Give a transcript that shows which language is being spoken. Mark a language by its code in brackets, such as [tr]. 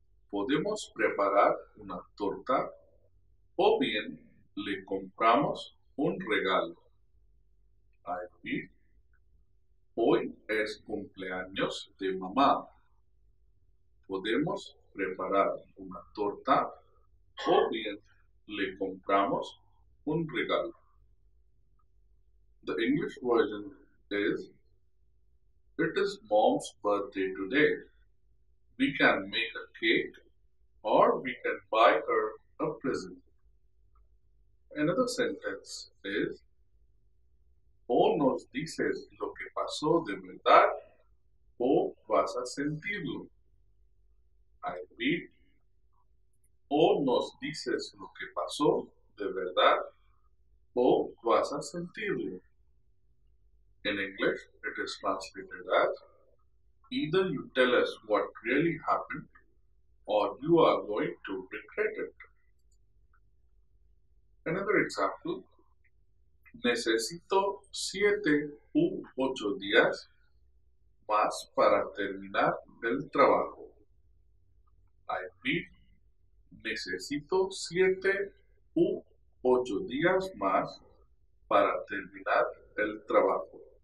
[es] ¿Podemos preparar una torta o bien le compramos un regalo? [en] I repeat. [es] Hoy es cumpleaños de mamá. ¿Podemos preparar una torta o bien le compramos un regalo? [en] The English version is, it is mom's birthday today. We can make a cake or we can buy her a present. Another sentence is, [es] o nos dices lo que pasó de verdad o vas a sentirlo. [en] I repeat, [es] o nos dices lo que pasó de verdad o vas a sentirlo. [en] In English, it is translated as, either you tell us what really happened or you are going to regret it. Another example, [es] necesito 7 u 8 días más para terminar el trabajo. [en] I repeat, [es] necesito 7 u 8 días más para terminar el trabajo.